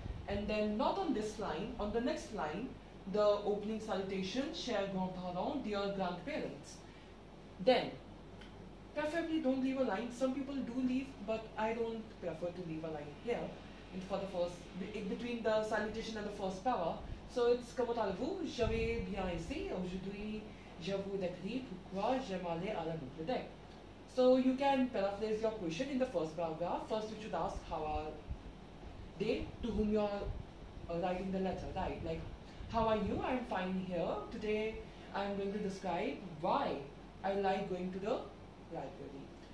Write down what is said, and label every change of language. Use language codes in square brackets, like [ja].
[en] And then, not on this line, on the next line, the opening salutation, [fr] cher grand-parents, [en] dear grandparents. Then, preferably don't leave a line. Some people do leave, but I don't prefer to leave a line here and for the first between the salutation and the first power. So it's [fr] comment allez-vous? Je vais bien ici. Aujourd'hui, je vous décris pourquoi j'aime aller à la bibliothèque. [en] So you can paraphrase your question in the first paragraph. First, you should ask how are they to whom you are writing the letter, right? Like, how are you? I'm fine here. Today, I'm going to describe why I like going to the library.